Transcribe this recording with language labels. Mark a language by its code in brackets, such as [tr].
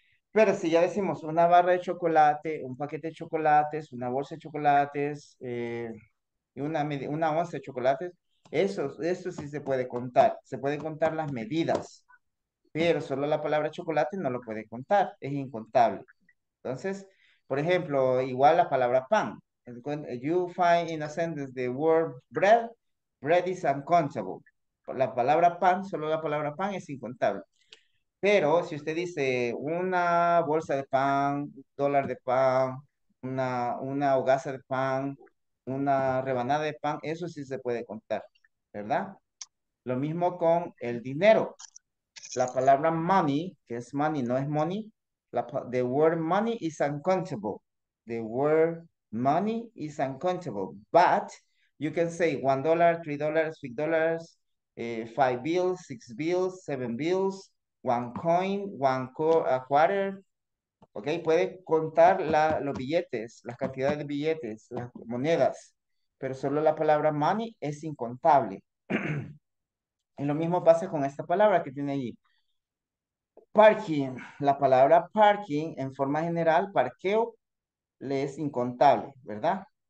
[es] Pero si ya decimos una barra de chocolate, un paquete de chocolates, una bolsa de chocolates, una onza de chocolates, eso sí se puede contar. Se pueden contar las medidas. pero solo la palabra chocolate no lo puede contar, es incontable. Entonces, por ejemplo, igual la palabra pan. [en] You find in a sentence the word bread, bread is uncountable. [es] La palabra pan, solo la palabra pan es incontable. Pero si usted dice una bolsa de pan, dólar de pan, una hogaza de pan, una rebanada de pan, eso sí se puede contar, ¿verdad? Lo mismo con el dinero. La palabra money, que es money, no es money. [en] The word money is uncountable. The word money is uncountable. But you can say $1, $3, $6, $5, $6, $7, one coin, a quarter. [es] Ok, puede contar los billetes, las cantidades de billetes, las monedas. Pero solo la palabra money es incontable. Y lo mismo pasa con esta palabra que tiene allí. Parking. La palabra parking, en forma general, parqueo, le es incontable, ¿verdad?